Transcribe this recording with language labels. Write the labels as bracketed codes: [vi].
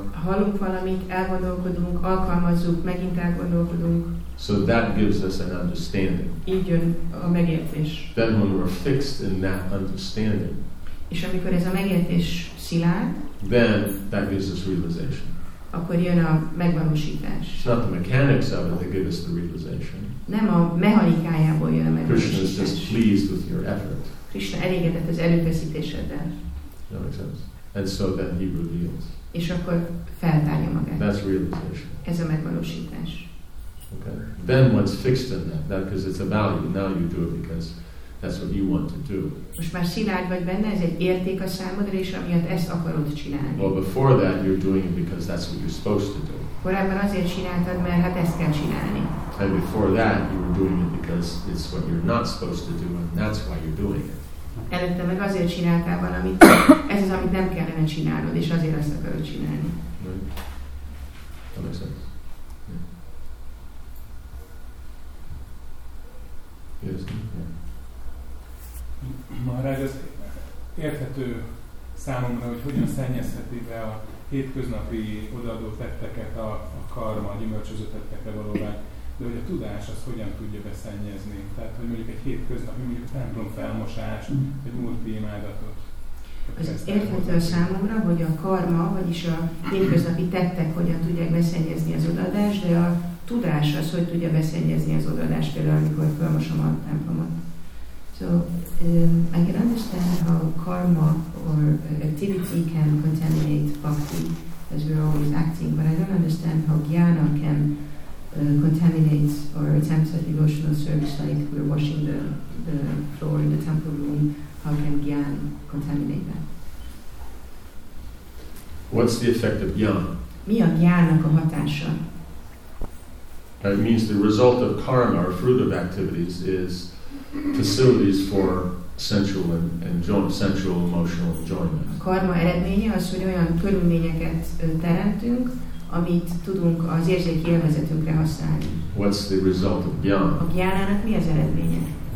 [hu] Hallunk valamit, elgondolkodunk, alkalmazzuk, megint elgondolkodunk. [en] So that gives us an understanding. [hu] Így jön a megértés. [en] Then when we're fixed in that understanding, [hu] és amikor ez a megértés szilárd, [en] then that gives us realization. [hu] Akkor jön a megvalósítás. [en] It's not the mechanics of it that give us the realization. [hu] Nem a mechanikájából jön a megvalósítás. [en] Krishna is just pleased with your effort. [hu] Krishna elégedett az erőfeszítéseddel. [en] That makes sense. And so then he reveals. [hu] És akkor feltárja magát. [en] That's realization. [hu] Ez a megvalósítás. [en] Okay. Then what's fixed in that? That because it's a value. Now you do it because that's what you want to do. [hu] Most már szilárd vagy benne, ez egy érték a számodra, és amiatt ezt akarod csinálni. [en] Well, before that, you're doing it because that's what you're supposed to do. [hu] Korábban azért csináltad, mert hát ezt kell csinálni. [en] And before that, you were doing it because it's what you're not supposed to do, and that's why you're doing it. [hu] Előtte meg azért csináltál valamit, ez az, amit nem kellene csinálnod, és azért ezt akarod csinálni. [en] That makes sense. Yes. [hu] Maharaj, ez érthető számomra, hogy hogyan szennyezheti be a hétköznapi odaadó tetteket, a karma, a gyümölcsöző tettekre valóban, de hogy a tudás az hogyan tudja beszennyezni. Tehát, hogy mondjuk egy hétköznapi, mondjuk a templom felmosás, egy multi imádatot. Az érthető a számomra, hogy a karma, vagyis a hétköznapi tettek hogyan tudják beszennyezni az odaadást, de a tudás az, hogy tudja beszennyezni az odaadást, például amikor felmosom a templomot. [en] So I can understand how karma or activity can contaminate bhakti, as we're always acting, but I don't understand how jnana can contaminate or attempt at devotional service, like we're washing the floor in the temple room. How can jnana contaminate that? What's the effect of jnana? [hu] Mi a jnának a hatása? [en] It means the result of karma or fruit of activities is facilities for sensual and sensual emotional enjoyment. [hu] A karma eredménye az, hogy olyan körülményeket teremtünk, amit tudunk az érzéki élvezetünkre használni. [en] What's the result of jnana? [hu] A jnának mi az eredménye?